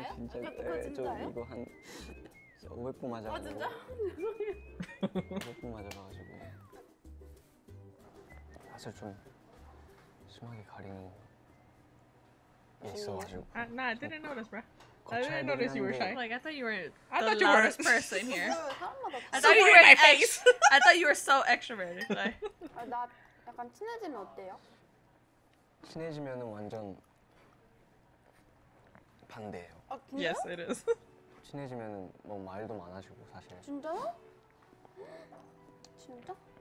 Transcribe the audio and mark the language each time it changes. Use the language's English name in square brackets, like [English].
[Korean] 그럼 진짜 저 이거 한 500분 맞아. 아 진짜? 죄송해요. 500분 맞아가지고 사실 좀 심하게 가리는 게 있어가지고. [English] Nah, I didn't notice, bro. I didn't notice you were shy. Like I thought you were the loudest person here. I thought you were face. I thought you were so extroverted. Like. [Korean] 나 약간 친해지면 어때요? 친해지면은 완전 반대예요. 아, 진짜요? [English] Yes, it is. [Korean] 친해지면은 뭐 말도 많아지고 사실. 진짜요? 진짜?